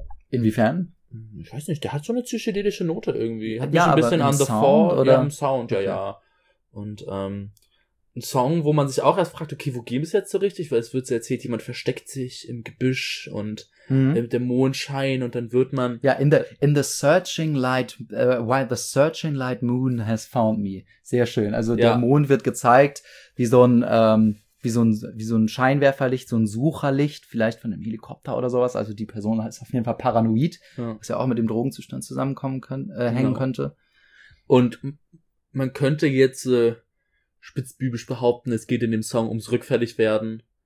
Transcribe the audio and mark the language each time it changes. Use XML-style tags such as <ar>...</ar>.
<de>Inwiefern? Ich weiß nicht, der hat so eine psychedelische Note irgendwie. Hat ja, mich ein bisschen an The Fall oder im Sound, ja, okay, ja. Und ein Song, wo man sich auch erst fragt, okay, wo gehen wir es jetzt so richtig? Weil es wird so erzählt, jemand versteckt sich im Gebüsch und mit dem Mondschein, und dann wird man.</de> <en>Ja, in the searching light, while the searching light moon has found me.</en> <de>Sehr schön. Also ja, der Mond wird gezeigt wie so ein, wie so ein Scheinwerferlicht, so ein Sucherlicht, vielleicht von einem Helikopter oder sowas. Also die Person ist auf jeden Fall paranoid, ja, was ja auch mit dem Drogenzustand zusammenkommen können, hängen genau könnte. Und man könnte jetzt spitzbübisch behaupten, es geht in dem Song ums rückfällig werden.</de>